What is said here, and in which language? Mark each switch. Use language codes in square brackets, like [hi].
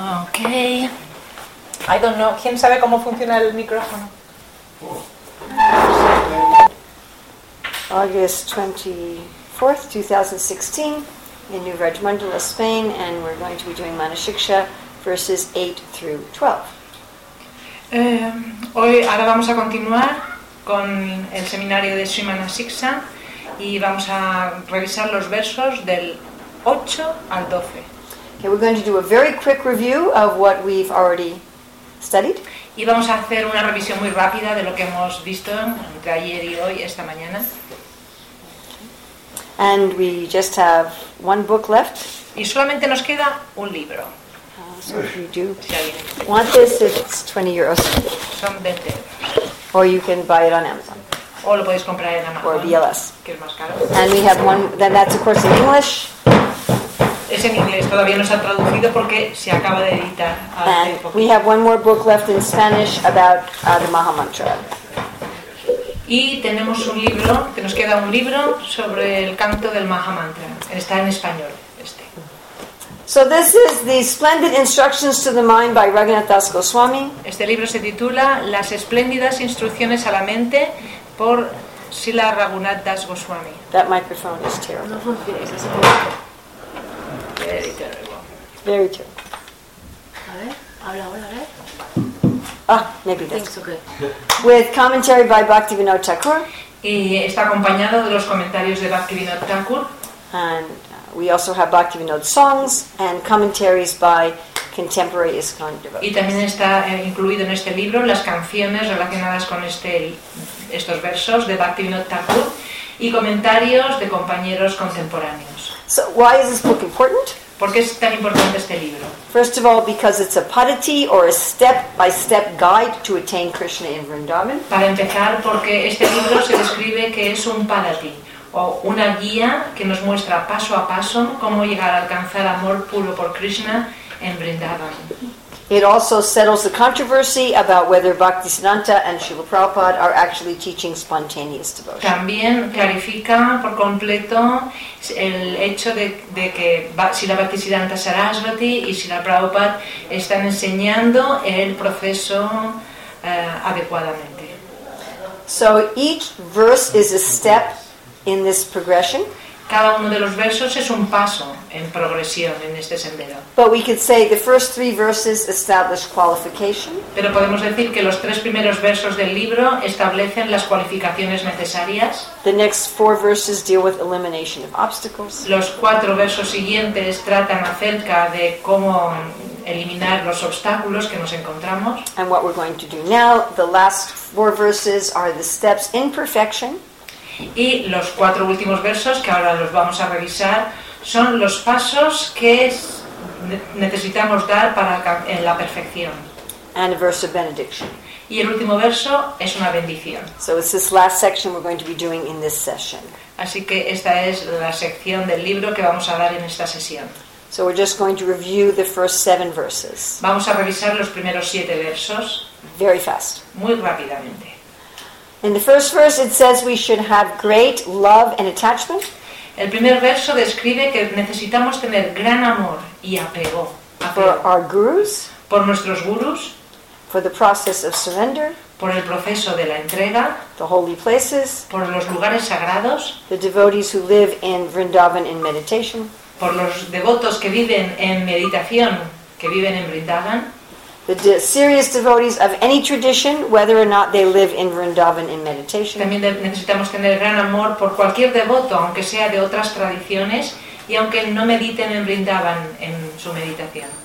[en] Okay. I don't know. [es] ¿Quién sabe cómo funciona el micrófono? [en] August 24th, 2016, in New Regimental, Spain, and we're going to be doing Manashiksha verses 8 through 12. [es] Ahora vamos a continuar con el seminario de Sri Manashiksha y vamos a revisar los versos del 8 al 12. [en] Okay, we're going to do a very quick review of what we've already studied. [es] Y vamos a hacer una revisión muy rápida de lo que hemos visto entre ayer y hoy, esta mañana. [en] And we just have one book left. [es] Y solamente nos queda un libro. [en] So if you do want this, it's 20 euros. [es] Son 20 euros. [en] Or you can buy it on Amazon. [es] O lo podéis comprar en Amazon. [en] Or BLS. [es] Que es más caro. [en] And we have one, then that's of course in English. [es] Es en inglés, todavía no se ha traducido porque se acaba de editar hace poco. [en] And we have one more book left in Spanish about the Maha Mantra. [es] Y tenemos un libro, que nos queda un libro sobre el canto del Maha Mantra. Está en español, este. [en] So this is the Splendid Instructions to the Mind by Raghunath Das Goswami. [es] Este libro se titula Las Espléndidas Instrucciones a la Mente por Srila Raghunath Das Goswami. [en] That microphone is terrible. [es] No funciona. [en] Very terrible. Very terrible. [es] A ver, habla ahora, a ver. [en] Ah, maybe this. Thanks, okay. With commentary by Bhaktivinoda Thakur. [es] Y está acompañado de los comentarios de Bhaktivinoda Thakur. [en] And we also have Bhaktivinoda songs and commentaries by contemporary ISKCON devotees. [es] Y también está incluido en este libro las canciones relacionadas con estos versos de Bhaktivinoda Thakur y comentarios de compañeros contemporáneos. [en] So why is this book important? [es] ¿Por qué es tan importante este libro? [en] First of all, because it's a padati or a step-by-step guide to attain Krishna in Vrindavan. [es] Para empezar, porque este libro se describe que es un padati o una guía que nos muestra paso a paso cómo llegar a alcanzar amor puro por Krishna en Vrindavan. [en] It also settles the controversy about whether Bhaktisiddhanta and Srila Prabhupada are actually teaching spontaneous devotion. [es] También clarifica por completo el hecho de que Srila Bhaktisiddhanta Sarasvati y Srila Prabhupada están enseñando el proceso adecuadamente. [en] So each verse is a step in this progression. [es] Cada uno de los versos es un paso en progresión en este sendero. [en] But we could say the first three verses establish qualification. [es] Pero podemos decir que los tres primeros versos del libro establecen las cualificaciones necesarias. [en] The next four verses deal with elimination of obstacles. [es] Los cuatro versos siguientes tratan acerca de cómo eliminar los obstáculos que nos encontramos. [en] And what we're going to do now, the last four verses are the steps in perfection. [es] Y los cuatro últimos versos, que ahora los vamos a revisar, son los pasos que necesitamos dar para en la perfección. [en] And a verse of benediction. [es] Y el último verso es una bendición. [en] So it's this last section we're going to be doing in this session. [es] Así que esta es la sección del libro que vamos a dar en esta sesión. [en] So we're just going to review the first seven verses. [es] Vamos a revisar los primeros siete versos. [en] Very fast. [es] Muy rápidamente. [en] In the first verse, it says we should have great love and attachment. [es] El primer verso describe que necesitamos tener gran amor y apego. [en] For our gurus. [es] Por nuestros gurus. [en] For the process of surrender. [es] Por el proceso de la entrega. [en] The holy places. [es] Por los lugares sagrados. [en] The devotees who live in Vrindavan in meditation. [es] Por los devotos que viven en meditación, que viven en Vrindavan. [en] The serious devotees of any tradition, whether or not they live in Vrindavan in meditation. [es] También necesitamos tener gran amor por cualquier devoto, aunque sea de otras tradiciones, y aunque no mediten en Vrindavan en su meditación.